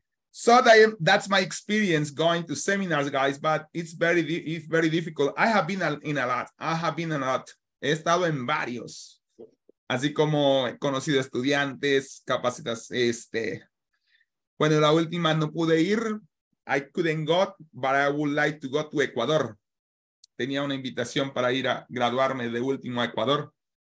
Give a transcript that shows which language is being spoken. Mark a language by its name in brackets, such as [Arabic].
[English] So that's my experience going to seminars, guys, but it's very difficult. I have been in a lot. He estado en varios. [Spanish] Así como he conocido estudiantes, capacitas, Bueno, la última no pude ir. [English] I couldn't go, but I would like to go to Ecuador. [Spanish] Tenía una invitación para ir a graduarme de último a Ecuador.